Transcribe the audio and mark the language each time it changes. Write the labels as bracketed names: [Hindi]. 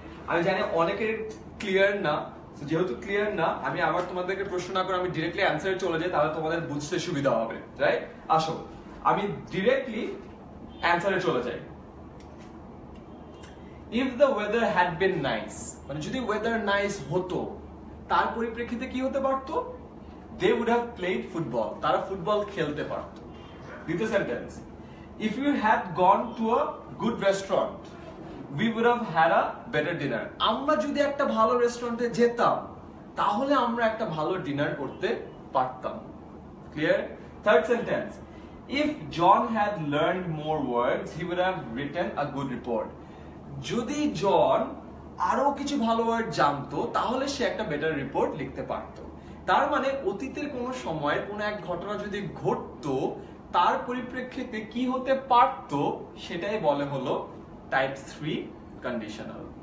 [Bangla] আমি জানি অনেকের ক্লিয়ার না, যেহেতু ক্লিয়ার না, আমি আবার তোমাদেরকে প্রশ্ন না করে আমি ডিরেক্টলি অ্যান্সারে চলে যাই, তাহলে তোমাদের বুঝতে সুবিধা হবে, রাইট? আসো আমি ডিরেক্টলি অ্যান্সারে চলে যাই। [English] if the weather had been nice, [Bangla] মানে যদি ওয়েদার নাইস হতো তার পরিপ্রেক্ষিতে কি হতে পারতো? [English] They would have played football. [Bangla] Tara football khelte parto. Dito [English] sentence. If you had gone to a good restaurant, we would have had a better dinner. [Bangla] আমরা যদি একটা ভালো রেস্টুরেন্টে যেতাম তাহলে আমরা একটা ভালো ডিনার করতে পারতাম. [English] Clear? Third sentence. If John had learned more words, he would have written a good report. [Bangla] যদি জন আরো কিছু ভালো ওয়ার্ড জানতো তাহলে সে একটা বেটার রিপোর্ট লিখতে পারতো. তার মানে অতীতের কোনো সময়ের কোনো এক ঘটনা যদি ঘটতো তার পরিপ্রেক্ষিতে কি হতে পারতো সেটাই বলে হলো টাইপ 3 কন্ডিশনাল.